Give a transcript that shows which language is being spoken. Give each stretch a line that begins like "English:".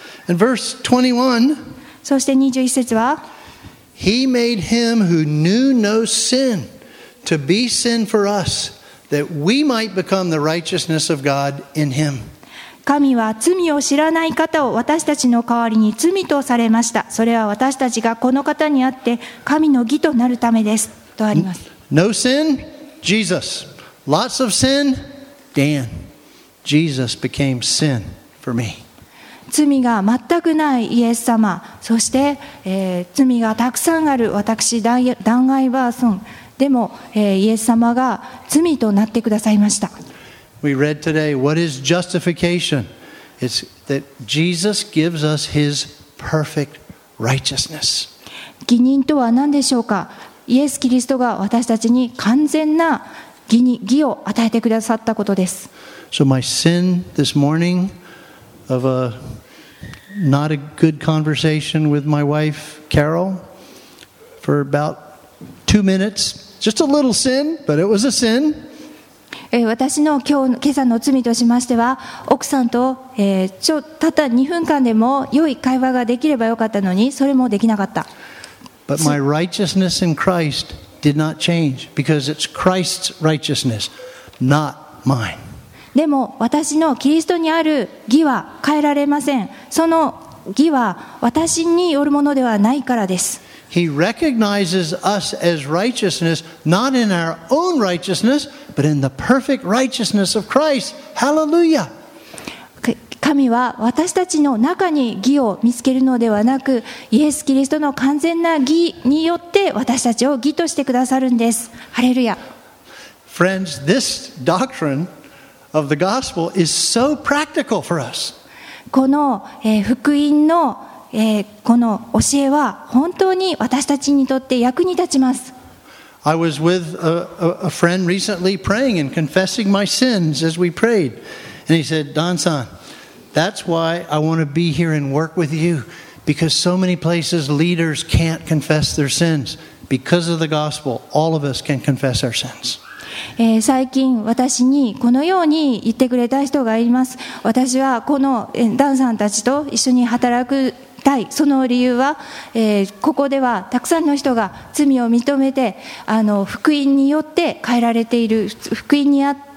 English: And verse 21,
Japanese: そして21節は
English: He made him who knew no sin to be sin for us that we might become the righteousness of God in him.
Japanese: 神は罪を知らない方を私たちの代わりに罪とされました。それは私たちがこの方にあって神の義となるためですとあります。
English: No sin, Jesus. Lots of sin, Dan. Jesus became sin for me.
Japanese: 罪が全くないイエス様、そして、罪がたくさんある私ダン・アイバーソン。でも、イエス様が罪となってくださいました。
English: We read today, what is justification? It's that Jesus gives us his perfect righteousness.
Japanese: 義認とは何でしょうか？イエス・キリストが私たちに完全な 義を与えてくださったことです。
English: So my sin this morning of a not a good conversation with my wife Carol for about 2 minutes, just a little sin, but it was a sin.
Japanese: 私の今朝の罪としましては、奥さんと、たった2分間でも良い会話ができればよかったのに、それもできなかった。
English: But my righteousness in Christ did not change because it's Christ's righteousness, not mine.
Japanese: でも私のキリストにある義は変えられません。その義は私によるものではないからです。
English: He recognizes us as righteousness, not in our own righteousness, but in the perfect righteousness of Christ. Hallelujah!
Japanese: 神は私たちの中に義を見つけるのではなく、イエス・キリストの完全な義によって私たちを義としてくださるんです。ハレルヤ。
English: Friends, this doctrine of the gospel is so practical for us.
Japanese: この、福音の、この教えは本当に私たちにとって役に立ちます。
English: I was with a friend recently praying and confessing my sins as we prayed, and he said, Don-san. That's why I want to be here and work with you, because so many places leaders can't confess their sins. Because of the gospel, all of us can confess our sins.
Japanese: 最近私にこのように言ってくれた人がいます。私はこのダンさんたちと一緒に働くたい。その理由は、ここではたくさんの人が罪を認めて、福音によって変えられている福音にあって。